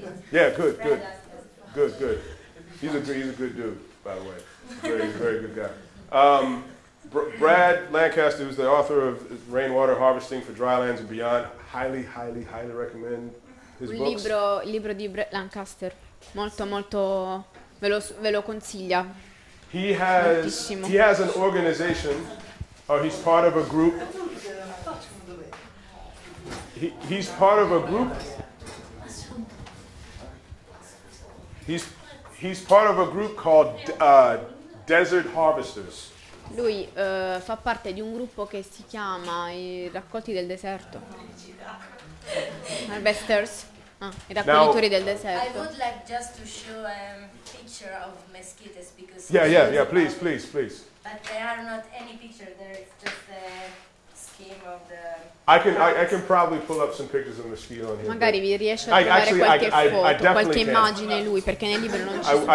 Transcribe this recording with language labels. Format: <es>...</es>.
<en>Yeah, good. He's a good dude, by the way. Very good guy. Brad Lancaster, who's the author of Rainwater Harvesting for Drylands and Beyond, highly recommend his books.</en> <it>Il libro di Brad Lancaster, molto ve lo consiglia.</it> <en>He has an organization, or he's part of a group. He's part of a group. He's part of a group called Desert Harvesters.</en> <it>Lui fa parte di un gruppo che si chiama i Raccolti del Deserto. Harvesters. I raccoglitori del deserto.</it> <en>I would like just to show a picture of mosquitoes because Yeah, please. But there are not any picture, there is just a scheme of the I can probably pull up some pictures of mosquito on here.</en> <it>Magari vi riesce a trovare qualche foto, qualche immagine lui perché nel libro non ci sono.</it>